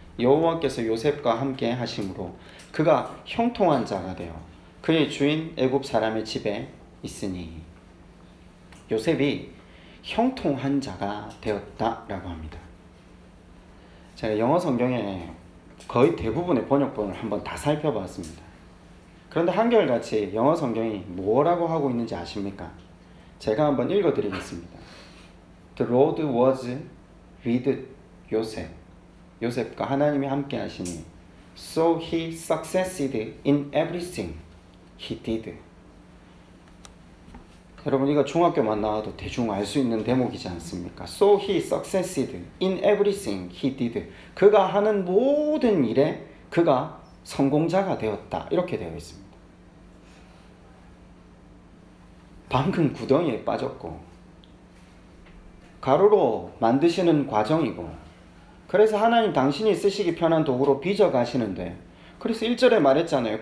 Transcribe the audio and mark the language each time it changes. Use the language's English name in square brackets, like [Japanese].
[Korean] 여호와께서 요셉과 함께 하심으로 그가 형통한 자가 되어 그의 주인 애굽 사람의 집에 있으니 요셉이 형통한 자가 되었다라고 합니다. 제가 영어 성경에 거의 대부분의 번역본을 한번 다 살펴봤습니다. 그런데 한결같이 영어 성경이 뭐라고 하고 있는지 아십니까? 제가 한번 읽어드리겠습니다. [English] The Lord was with Joseph. [Korean] 요셉과 하나님이 함께 하시니 [English] So he succeeded in everything he did. [Korean] 여러분 이거 중학교만 나와도 대충 알 수 있는 대목이지 않습니까? [English] So he succeeded in everything he did. [Korean] 그가 하는 모든 일에 그가 성공자가 되었다. 이렇게 되어 있습니다. 방금 구덩이에 빠졌고 가루로 만드시는 과정이고 그래서 하나님 당신이 쓰시기 편한 도구로 빚어가시는데 그래서 1절에 말했잖아요.